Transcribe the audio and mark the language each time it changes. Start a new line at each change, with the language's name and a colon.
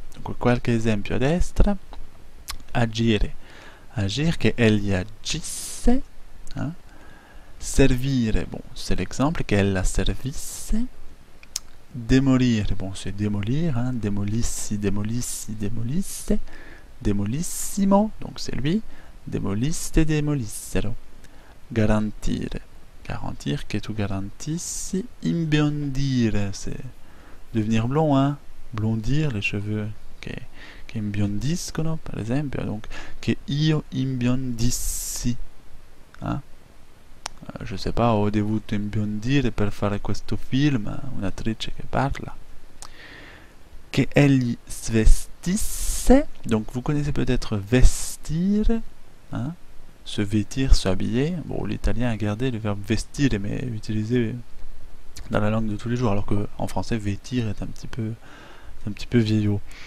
Italian: Donc, qualche esempio a destra. Agire, agir, che egli agisse, hein.
French: Servire, bon, c'est l'exemple,
Italian: che ella servisse,
French: démolire, bon, c'est démolir, hein.
Italian: Démolissi, démolissi, démolisse, démolissimo, donc c'est lui, démoliste, démolissero, garantire, garantir, che tu garantissi, imbiondire,
French: c'est devenir blond, hein. Blondir, les cheveux, okay. Che imbiondiscono, par exemple, donc
Italian: che io imbiondissi.
French: Hein? Je sais pas,
Italian: ho dovuto imbiondire per fare questo film, un'attrice che parla. Che egli svestisse,
French: donc vous connaissez peut-être vestir, hein? Se vêtir, s'habiller. Bon, l'italien a gardé le verbe vestire, mais utilisé dans la langue de tous les jours, alors que en français, vêtir est un petit peu vieillot.